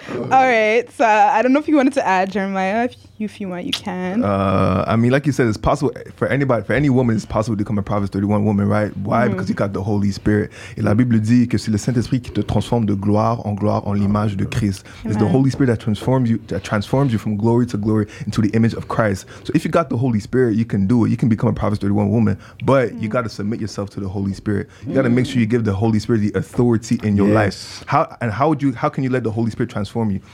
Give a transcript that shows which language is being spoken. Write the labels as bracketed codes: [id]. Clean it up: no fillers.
[en] All right, so I don't know if you wanted to add, Jeremiah. If you want, you can. I mean, like you said, it's possible for anybody, for any woman, it's possible to become a Proverbs 31 woman, right? Why? Mm-hmm. Because you got the Holy Spirit. [fr] Et la Bible dit que c'est le Saint-Esprit qui te transforme de gloire en l'image de Christ. [en] Amen. It's the Holy Spirit that transforms you from glory to glory into the image of Christ. So if you got the Holy Spirit, you can do it. You can become a Proverbs 31 woman, but you got to submit yourself to the Holy Spirit. You got to make sure you give the Holy Spirit the authority in your life. How can you let the Holy Spirit transform you?